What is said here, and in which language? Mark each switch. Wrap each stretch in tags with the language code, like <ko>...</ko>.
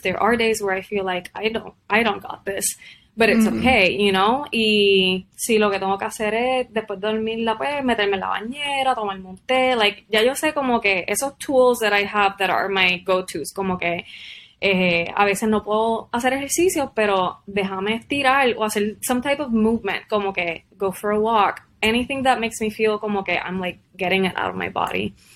<en>There are days where I feel like I don't got this. But it's okay, you know?</en> <es>Y si lo que tengo que hacer es después de dormirla, pues meterme en la bañera, tomarme un té.</es> <en>Like,</en> <es>ya yo sé como que esos</es> <en>tools that I have that are my go-tos.</en> <es>Como que a veces no puedo hacer ejercicios, pero déjame estirar o hacer</es> <en>some type of movement. Como que go for a walk. Anything that makes me feel</en> <es>como que</es> <en>I'm like getting it out of my body.</en>